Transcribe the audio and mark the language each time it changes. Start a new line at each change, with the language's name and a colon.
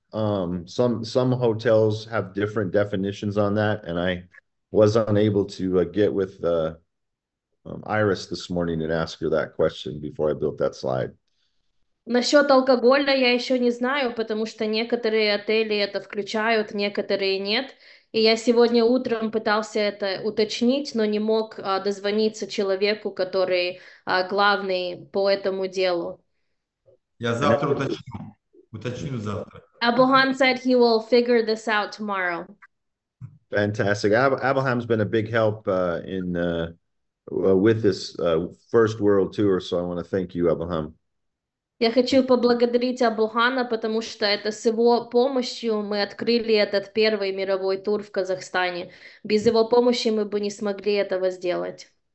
English: Some hotels have different definitions on that, and I was unable to get with Iris this morning and ask her that question before I built that slide.
Russian: Насчет алкоголя я еще не знаю, потому что некоторые отели это включают, некоторые нет. И я сегодня утром пытался это уточнить, но не мог дозвониться человеку, который главный по этому делу. Я завтра уточню завтра.
English: Abelham said he will figure this out tomorrow. Fantastic. Abelham's been a big help in with this first world tour, so I want to thank you, Abelham.
Russian: Я хочу поблагодарить Абухана, потому что это с его помощью мы открыли этот первый мировой тур в Казахстане. Без его помощи мы бы не смогли этого сделать.